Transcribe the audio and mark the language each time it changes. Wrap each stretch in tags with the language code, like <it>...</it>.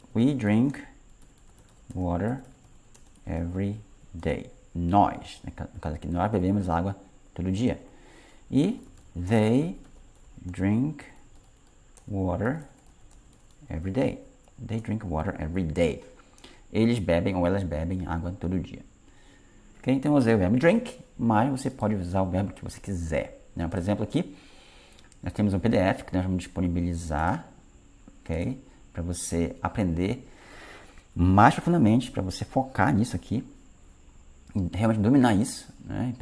<en>We drink water every day.</en> <pt>Nós, né? No caso aqui, nós bebemos água todo dia.</pt> <en>E they drink water every day. They drink water every day.</en> <pt>Eles bebem ou elas bebem água todo dia. Okay? Então, eu usei o verbo drink, mas você pode usar o verbo que você quiser. Né? Por exemplo, aqui, nós temos um PDF que nós vamos disponibilizar, okay? Para você aprender mais profundamente, para você focar nisso aqui, realmente dominar isso, né?</pt>